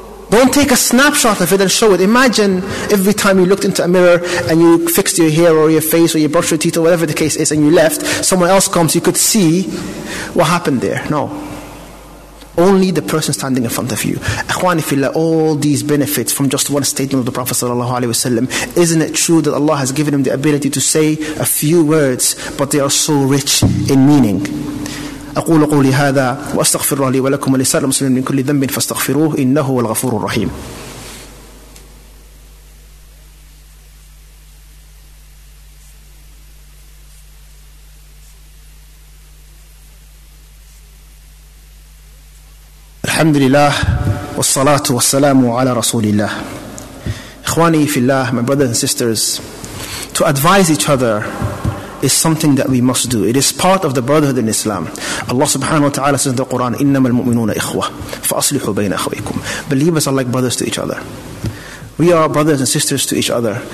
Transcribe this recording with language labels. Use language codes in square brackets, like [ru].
[en] Don't take a snapshot of it and show it. Imagine every time you looked into a mirror and you fixed your hair or your face or you brushed your teeth or whatever the case is and you left, someone else comes, you could see what happened there. No. Only the person standing in front of you. [ar] Akhwani fillah, [en] all these benefits from just one statement of the Prophet sallallahu alaihi wasallam. Isn't it true that Allah has given him the ability to say a few words, but they are so rich in meaning? [ar] أقول قولي هذا وأستغفر الله لي ولكم ولسائر المسلمين من كل ذنب فاستغفروه إنه هو الغفور الرحيم. الحمد لله والصلاة والسلام على رسول الله. إخواني في الله, [en] my brothers and sisters, to advise each other is something that we must do. It is part of the brotherhood in Islam. Allah subhanahu wa ta'ala says in the Quran, [ar] إِنَّمَا الْمُؤْمِنُونَ إِخْوَةٌ فَأَصْلِحُوا بَيْنَ أَخْوَيْكُمْ. [en] Believers are like brothers to each other. We are brothers and sisters to each other.